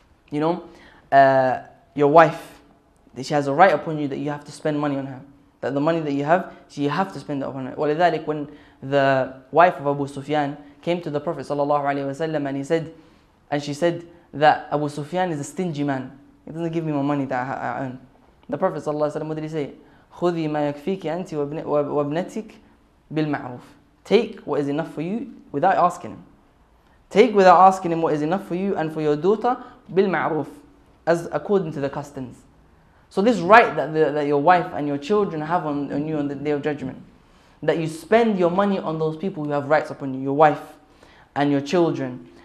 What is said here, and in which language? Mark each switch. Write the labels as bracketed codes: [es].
[en] You know, your wife, she has a right upon you that you have to spend money on her. That the money that you have, so you have to spend it upon her. وَلِذَلِكَ, when the wife of Abu Sufyan came to the Prophet sallallahu alaihi wasallam, and he said, and she said that Abu Sufyan is a stingy man. He doesn't give me my money that I earn. The Prophet sallallahu alaihi wasallam, what did he say? [ar] خذي ما يكفيك أنت وابنتك بالمعروف. [en] Take what is enough for you without asking him. Take without asking him what is enough for you and for your daughter بالمعروف, as according to the customs. So this right that that your wife and your children have on you on the day of judgment, that you spend your money on those people who have rights upon you, your wife and your children.